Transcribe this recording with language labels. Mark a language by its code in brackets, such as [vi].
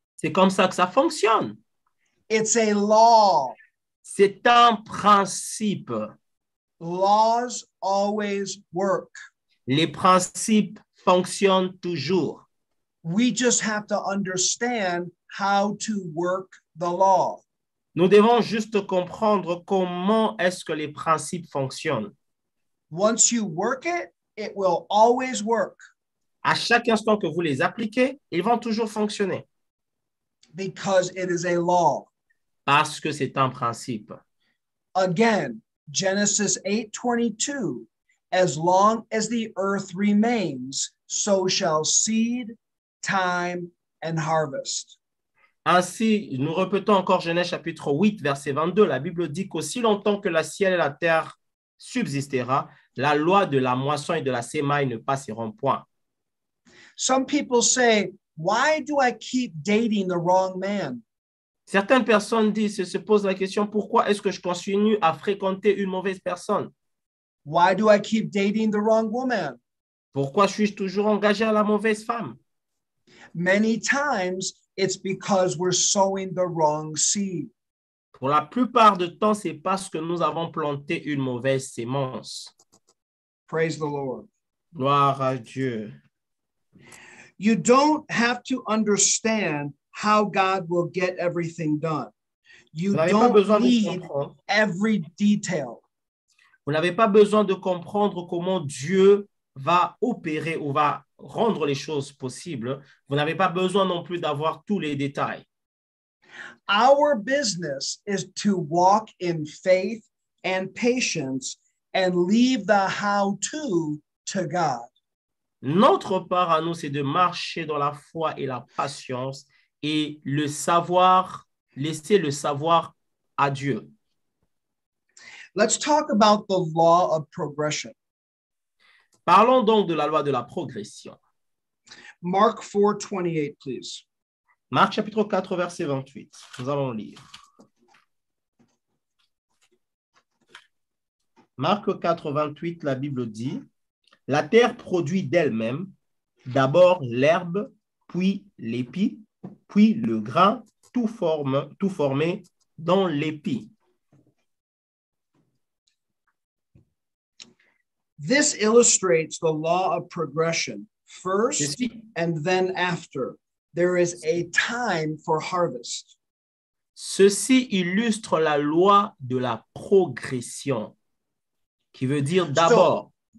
[fr] C'est comme ça que ça fonctionne. [en] It's a law. [fr] C'est un principe. [en] Laws always work. [fr] Les principes fonctionnent toujours. [en] We just have to understand how to work the law. [fr] Nous devons juste comprendre comment est-ce que les principes fonctionnent. [en] Once you work it, it will always work. [fr] À chaque instant que vous les appliquez, ils vont toujours fonctionner. [en] Because it is a law. [fr] Parce que c'est un principe. [en] Again, Genesis 8:22, as long as the earth remains, so shall seed, time, and harvest. [fr] Ainsi, nous répétons encore Genèse chapitre 8, verset 22. La Bible dit qu'aussi longtemps que le ciel et la terre subsistera, la loi de la moisson et de la semaille ne passeront point. [en] Some people say, why do I keep dating the wrong man? [fr] Certaines personnes disent et se posent la question, pourquoi est-ce que je continue à fréquenter une mauvaise personne? [en] Why do I keep dating the wrong woman? [fr] Pourquoi suis-je toujours engagé à la mauvaise femme? [en] Many times, it's because we're sowing the wrong seed. [fr] Pour la plupart de temps, c'est parce que nous avons planté une mauvaise semence. [en] Praise the Lord. [fr] Gloire à Dieu. [en] You don't have to understand how God will get everything done. You don't need every detail. [fr] Vous n'avez pas besoin de comprendre comment Dieu va opérer ou va rendre les choses possibles. Vous n'avez pas besoin non plus d'avoir tous les détails. [en] Our business is to walk in faith and patience and leave the how-to to God. [fr] Notre part à nous, c'est de marcher dans la foi et la patience et le savoir, laisser le savoir à Dieu. [en] Let's talk about the law of progression. [fr] Parlons donc de la loi de la progression. [en] Mark 4, 28, please. [fr] Marc chapitre 4, verset 28. Nous allons lire. Marc 4, 28, la Bible dit, « La terre produit d'elle-même d'abord l'herbe, puis l'épi, puis le grain, tout formé dans l'épi. » [en] This illustrates the law of progression. First and then after, there is a time for harvest. [fr] Ceci illustre la loi de la progression, qui veut dire d'abord.